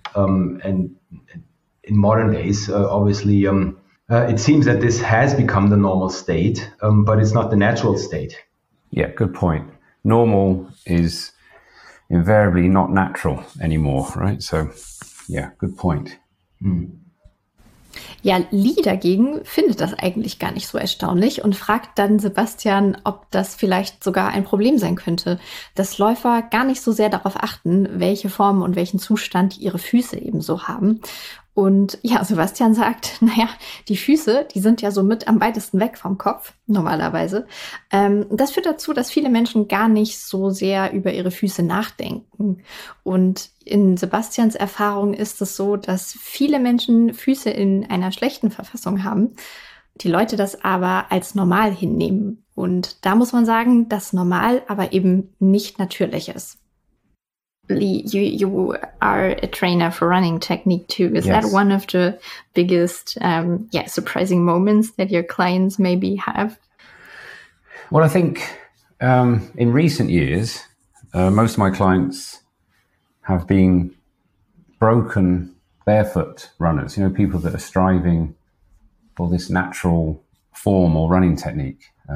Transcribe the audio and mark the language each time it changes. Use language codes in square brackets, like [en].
[en] And in modern days, it seems that this has become the normal state, but it's not the natural state. Yeah, good point. Normal is invariably not natural anymore, right? So, yeah, good point. Mm. [de] Ja, Lee dagegen findet das eigentlich gar nicht so erstaunlich und fragt dann Sebastian, ob das vielleicht sogar ein Problem sein könnte, dass Läufer gar nicht so sehr darauf achten, welche Form und welchen Zustand ihre Füße eben so haben. Und ja, Sebastian sagt, naja, die Füße, die sind ja so mit am weitesten weg vom Kopf, normalerweise. Das führt dazu, dass viele Menschen gar nicht so sehr über ihre Füße nachdenken. Und in Sebastians Erfahrung ist es so, dass viele Menschen Füße in einer schlechten Verfassung haben, die Leute das aber als normal hinnehmen. Und da muss man sagen, dass normal aber eben nicht natürlich ist. [en] Lee, you are a trainer for running technique too. Is that one of the biggest, surprising moments that your clients maybe have? Well, I think in recent years, most of my clients have been broken barefoot runners, you know, people that are striving for this natural form or running technique.